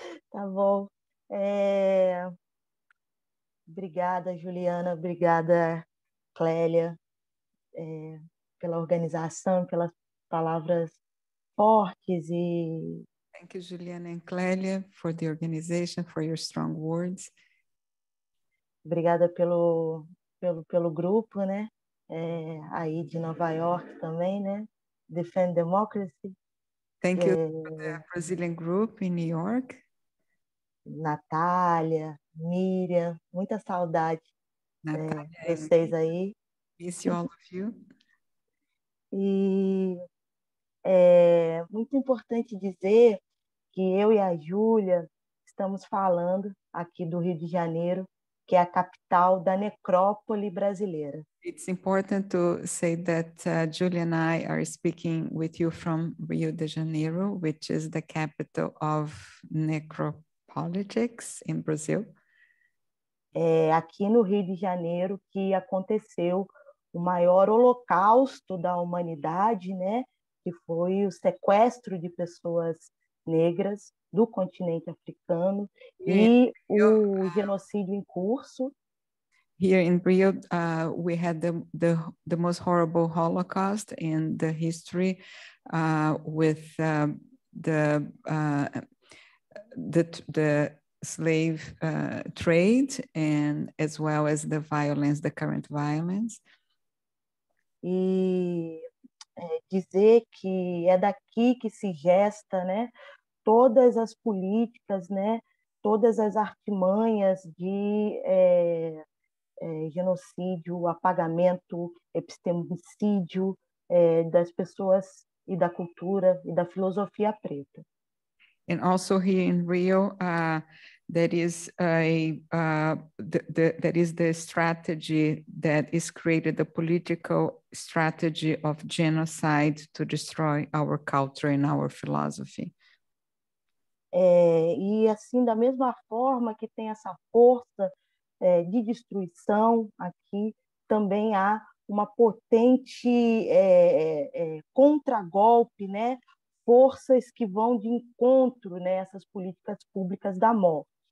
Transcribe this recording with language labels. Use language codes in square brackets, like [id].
[pt] Tá bom. Obrigada, Juliana. Obrigada, Clélia, pela organização, pelas palavras fortes e... [en] Thank you, Juliana and Clélia, for the organization, for your strong words. [pt] Obrigada pelo grupo, né? Aí de Nova York também, né? [en] Defend Democracy. Thank you for the Brazilian group in New York. [pt] Natália, Miriam, muita saudade de vocês aí. [en] Miss you all of you. [pt] E é muito importante dizer que eu e a Júlia estamos falando aqui do Rio de Janeiro, que é a capital da necrópole brasileira. [en] It's important to say that Julia and I are speaking with you from Rio de Janeiro, which is the capital of necropolitics in Brazil. [pt] É aqui no Rio de Janeiro que aconteceu o maior holocausto da humanidade, né? Que foi o sequestro de pessoas negras do continente africano e o genocídio em curso. [en] Here in Rio, we had the most horrible Holocaust in the history, with the slave trade and as well as the violence, the current violence. [pt] E dizer que é daqui que se gesta, né, todas as políticas, né, todas as artimanhas de genocídio, apagamento, epistemicídio das pessoas e da cultura e da filosofia preta. [en] And also here in Rio, that is the strategy that is created, the political strategy of genocide to destroy our culture and our philosophy. [pt] E assim, da mesma forma que tem essa força de destruição aqui, também há uma potente contragolpe, né? Forças que vão de encontro, né, essas políticas públicas da morte.